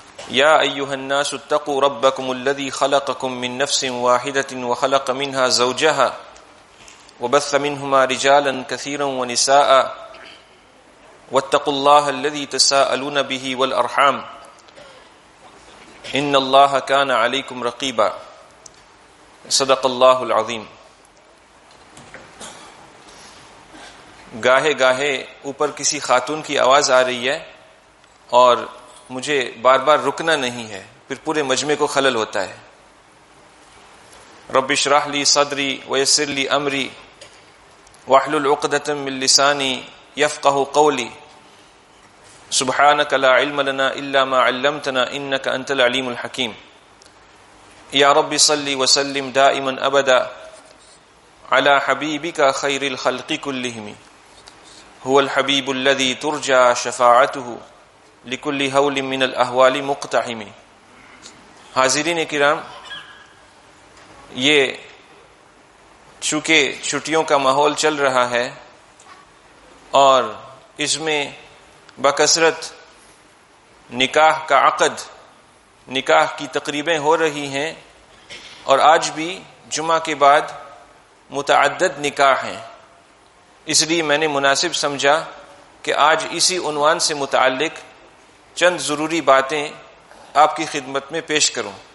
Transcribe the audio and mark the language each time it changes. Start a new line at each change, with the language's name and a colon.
Arabic: يا ايها الناس اتقوا ربكم الذي خلقكم من نفس واحده وخلق منها زوجها وبث منهما رجالا كثيرا ونساء واتقوا الله الذي تساءلون به والارحام ان الله كان عليكم رقيبا صدق الله العظيم.
Urdu: گاہے گاہے اوپر کسی خاتون کی آواز آ رہی ہے اور مجھے بار بار رکنا نہیں ہے، پھر پورے مجمع کو خلل ہوتا ہے.
Arabic: رب اشرح لی صدری ویسر لی امری واحلل عقدۃ من لسانی یفقہ قولی سبحانک لا علم لنا الا ما علمتنا انک انت العلیم الحکیم. یا رب صلی وسلم دائما ابدا علی حبیبک خیر الخلق کلہم هو الحبيب الذي ترجى شفاعته لكل هول من الاحوال مقتحم.
Urdu: حاضرین کرام، یہ چونکہ چھٹیوں کا ماحول چل رہا ہے اور اس میں بکثرت نکاح کا عقد، نکاح کی تقریبیں ہو رہی ہیں، اور آج بھی جمعہ کے بعد متعدد نکاح ہیں، اس لیے میں نے مناسب سمجھا کہ آج اسی عنوان سے متعلق چند ضروری باتیں آپ کی خدمت میں پیش کروں.